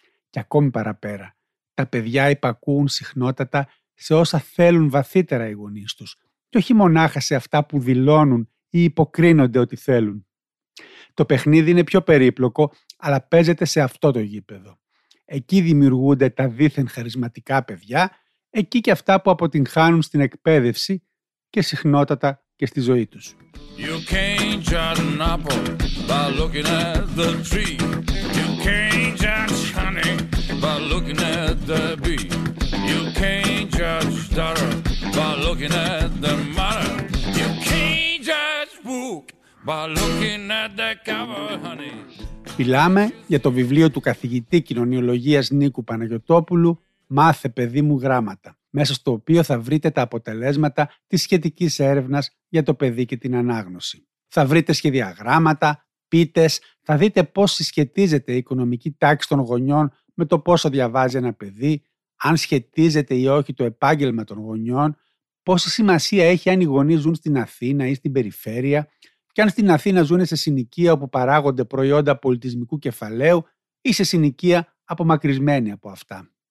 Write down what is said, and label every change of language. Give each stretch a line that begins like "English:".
Greek: Και ακόμη παραπέρα, τα παιδιά υπακούουν συχνότατα σε όσα θέλουν βαθύτερα οι γονείς τους και όχι μονάχα σε αυτά που δηλώνουν ή υποκρίνονται ότι θέλουν. Το παιχνίδι είναι πιο περίπλοκο, αλλά παίζεται σε αυτό το γήπεδο. Εκεί δημιουργούνται τα δήθεν χαρισματικά παιδιά, εκεί και αυτά που αποτυγχάνουν στην εκπαίδευση και συχνότατα και στη ζωή τους.
English: You can't judge an apple by looking at the tree. You can't judge honey by looking at the bee. You can't judge daughter by looking at the mother. You can't judge book by looking at the cover, honey.
Greek: Μιλάμε για το βιβλίο του καθηγητή κοινωνιολογίας Νίκου Παναγιωτόπουλου «Μάθε παιδί μου γράμματα», μέσα στο οποίο θα βρείτε τα αποτελέσματα της σχετικής έρευνας για το παιδί και την ανάγνωση. Θα βρείτε σχεδιαγράμματα, πίτες, θα δείτε πώς συσχετίζεται η οικονομική τάξη των γονιών με το πόσο διαβάζει ένα παιδί, αν σχετίζεται ή όχι το επάγγελμα των γονιών, πόση σημασία έχει αν οι γονείς ζουν στην Αθήνα ή στην περιφέρεια και αν στην Αθήνα ζουν σε συνοικία όπου παράγονται προϊόντα πολιτισμικού κεφαλαίου ή σε συνοικία απομακρυσμένη από αυτά.